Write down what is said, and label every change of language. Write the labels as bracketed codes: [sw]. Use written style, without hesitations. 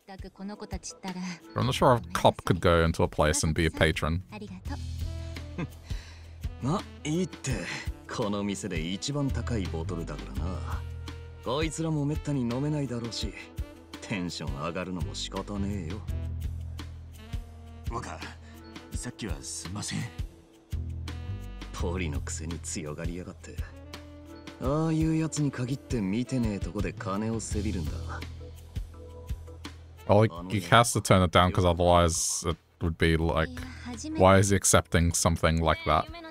[en] But I'm not sure a cop could go into a place and be a patron. [ja] まあ、いいって。この店で一番高いボトルだからな。こいつらもめったに飲めないだろうし、テンション上がるのも仕方ねえよ。若、さっきはすんません。ポリのくせに強がりやがって。 [en] Well, he has to turn it down because otherwise it would be like, why is he accepting something like that?